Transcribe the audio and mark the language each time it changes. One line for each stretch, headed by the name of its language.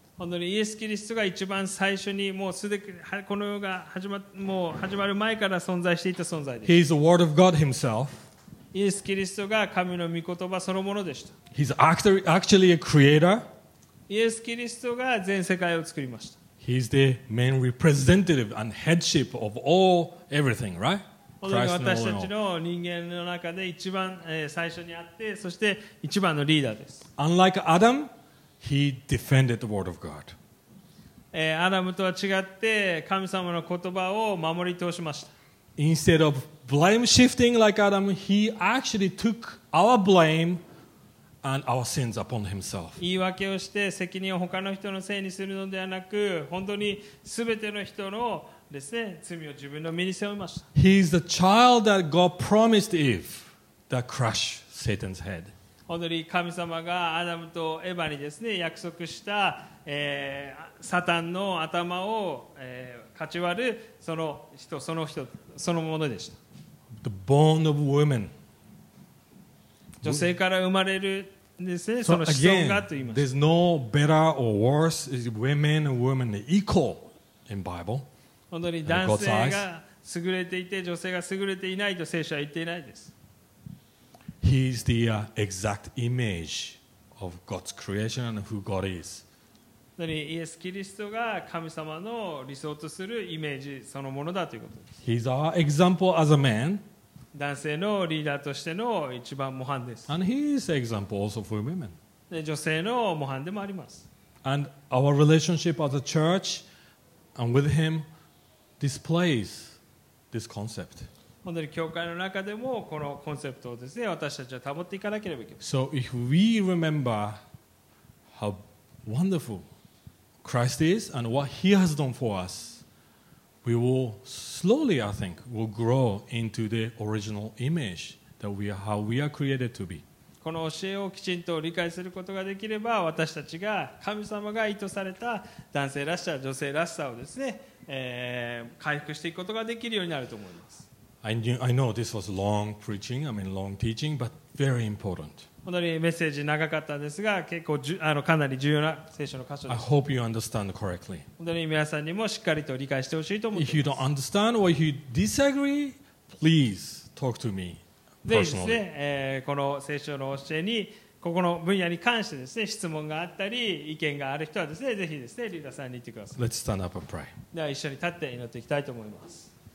Japanese: 本当にイエス・キリストが一番最初にもうすでにこの世が始まっもう始まる前から存在していた存在です。
English: He is the Word of God Himself.
Japanese: イエス・キリストが神の御言葉そのものでした。
English: He's actually a creator.
Japanese: イエス・キリストが全世界を作りました。
English: He is the main representative and headship of all everything, right?
Japanese: 私たちの人間の中で一番最初にあってそして一番のリーダーです。
English: Unlike Adam, he defended the word of God.
Japanese: アダムとは違って神様の言葉を守り通しました。
English: Instead of blame shifting like Adam, he actually took our blame and our sins upon himself.
Japanese: 言い訳をして責任を他の人のせいにするのではなく本当に全ての人のですね、罪を自分の身に背負いました。
English: He is the child that God promised Eve that crushed Satan's head.
Japanese: 本当に神様がアダムとエヴァにですね、約束した、サタンの頭を、かち割るその人、その人、そのものでした。
English: The born of woman.
Japanese: 女性から生まれるですね、その子孫がと言いました。
English: There's no better or worse is women and women equal in Bible.
Japanese: 本当に男性が優れていて女性が優れていないと聖書は言っていないです。
English: He is the exact image of God's creation and who God is.
Japanese: イエス・キリストが神様の理想とするイメージそのものだということです。
English: He is our example as a man.
Japanese: 男性のリーダーとしての一番模範です。
English: And he is an example also for women.
Japanese: 女性の模範でもあります。
English: And our relationship as a church and with him. Displays this concept.
Japanese: 本当に教会の中でもこのコンセプトをですね、私たちは保っていかなければいけない。
English: So if we remember how wonderful Christ is and what He has done for us, we will slowly, I think, will grow into the original image that we are, how we are created to be.
Japanese: この教えをきちんと理解することができれば、私たちが神様が意図された男性らしさ、女性らしさをですね、回復していくことができるようになると思います。
English: I know this was long preaching, I mean long teaching, but very important.
Japanese: 本当にメッセージ長かったんですが、結構かなり重要な聖書の箇所です。
English: I hope you understand correctly.
Japanese: 本当に皆さんにもしっかりと理解してほしいと思います。
English: If you don't understand or if you disagree, please talk to me personally.
Japanese: ぜひですね、この聖書の教えに、ここの分野に関してですね、質問があったり、意見がある人はですね、ぜひですね、リーダーさんに言ってください。
English: Let's stand up and pray.
Japanese: では一緒に立って祈っていきたいと思います。